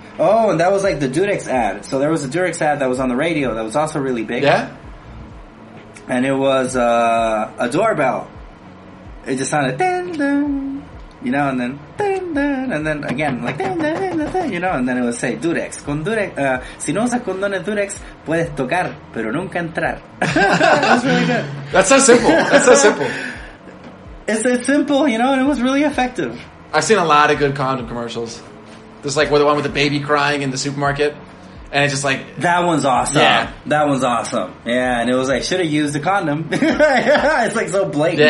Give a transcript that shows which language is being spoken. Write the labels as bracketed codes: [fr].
[en] Oh, and that was like the Durex ad. So there was a Durex ad that was on the radio that was also really big. Yeah. And it was a doorbell. It just sounded dun, dun, you know, and then dun, dun, and then again like dun, dun, dun, dun, you know, and then it would say Durex. [es] Con Durex, si no usas condones Durex, puedes tocar, pero nunca entrar. [en] That's really good. That's so simple. That's so simple. It's simple, you know, and it was really effective. I've seen a lot of good condom commercials. There's like the one with the baby crying in the supermarket. And it's just like... That one's awesome. Yeah. That one's awesome. Yeah, and it was like, should have used a condom. It's like so blatant.